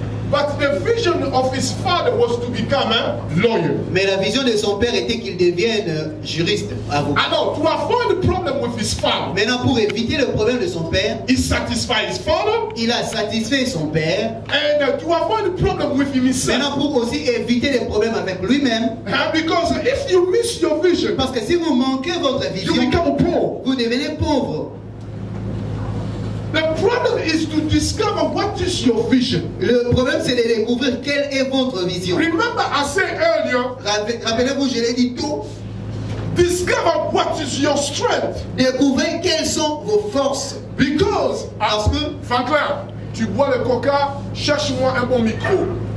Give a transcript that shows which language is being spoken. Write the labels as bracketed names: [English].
[English] But the vision of his father was to become a lawyer. [French] Mais la vision de son père était qu'il devienne juriste, avocat. [English] And now, to avoid the problem with his father. [French] Maintenant, pour éviter le problème de son père, [English] he satisfied his father. [French] Il a satisfait son père. [English] And to avoid the problem with himself. [French] Maintenant, pour aussi éviter les problèmes avec lui-même. [English] And because if you miss your vision, [French] parce que si vous manquez votre vision, [English] you become poor. [French] Vous devenez pauvre. [English] The problem is to discover what is your vision. [French] Le problème c'est de découvrir quelle est votre vision. [English] Remember I said earlier. [French] Rappelez-vous, je l'ai dit tôt. [English] Discover what is your strength. [French] Découvrez quelles sont vos forces. [English] Because [French] parce que Franklin, tu bois le coca, cherche-moi un bon micro.